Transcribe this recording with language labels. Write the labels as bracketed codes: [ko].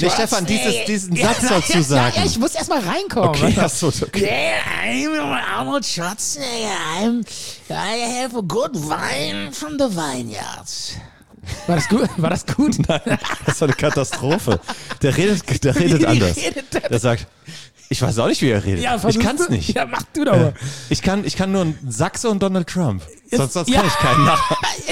[de] Nee, Stefan, diesen Satz dazu sagen. Ja, ich muss erstmal reinkommen. Okay, das ist okay. Arnold Schwarzenegger. [en] I have a good wine from the vineyards. [de] War das gut? Nein, das war eine Katastrophe. Der redet anders. Der sagt, ich weiß auch nicht, wie er redet. Ja, ich kann's nicht. Ja, mach du doch mal. Ich kann nur einen Sachse und Donald Trump. Sonst kann ich keinen nachmachen.